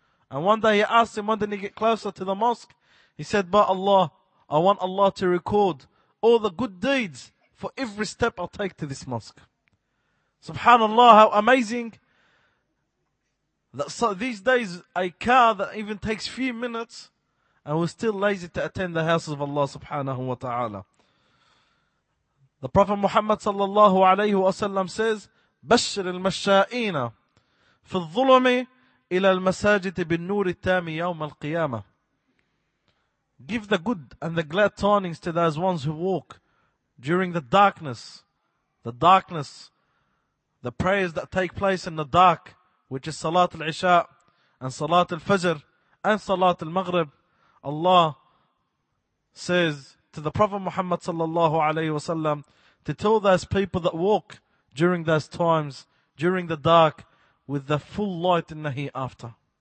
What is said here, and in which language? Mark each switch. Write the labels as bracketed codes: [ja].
[en] And one day he asked him, when did he get closer to the mosque? He said, by Allah, I want Allah to record all the good deeds for every step I'll take to this mosque. Subhanallah, how amazing. That so these days, a car that even takes few minutes, and we're still lazy to attend the houses of Allah subhanahu wa ta'ala. The Prophet Muhammad sallallahu alayhi wa sallam says, [ar] بشر المشائين في الظلم إلى المساجد بالنور التام يوم القيامة. [en] Give the good and the glad tidings to those ones who walk during the darkness, the prayers that take place in the dark, which is Salat al-Isha, and Salat al-Fajr, and Salat al-Maghrib. Allah says to the Prophet Muhammad sallallahu alayhi wa sallam, to tell those people that walk during those times, during the dark, with the full light in the hereafter.